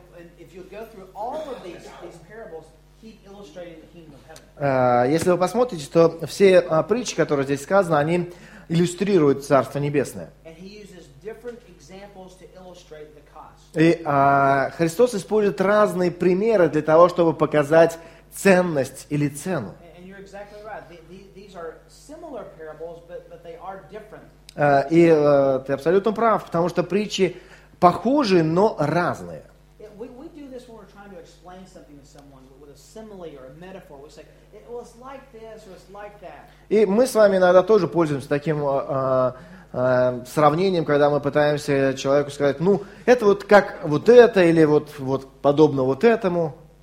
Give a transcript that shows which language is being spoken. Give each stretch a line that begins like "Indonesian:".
English: And if you go through all of these parables, keep illustrating the kingdom of heaven.
Russian: Если вы посмотрите, то все притчи, которые здесь сказаны, они иллюстрируют Царство Небесное.
English: And he uses different examples to illustrate the cost.
Russian: И Христос использует разные примеры для того, чтобы показать ценность или цену.
English: And you're exactly right. These are similar parables, but they are different.
Russian: И ты абсолютно прав, потому что притчи похожи, но разные.
English: We do this when we're trying to explain something to someone with a simile or a metaphor. We say, it was like this or it's like that.
Russian: И мы с вами иногда тоже пользуемся таким сравнением, когда мы пытаемся человеку сказать, ну, это вот как вот это или вот, вот подобно вот этому.